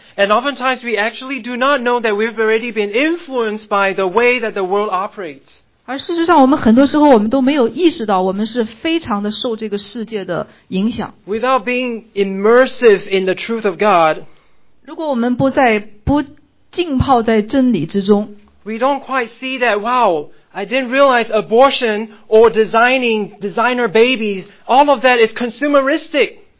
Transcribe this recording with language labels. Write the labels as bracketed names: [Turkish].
[English] And oftentimes we actually do not know that we've already been influenced by the way that the world operates. [Chinese] 而事实上我们很多时候我们都没有意识到我们是非常的受这个世界的影响。 [English] Without being immersive in the truth of God, [Chinese] 如果我们不浸泡在真理之中， [English] We don't quite see that, wow, I didn't realize abortion or designing designer babies, all of that is consumeristic.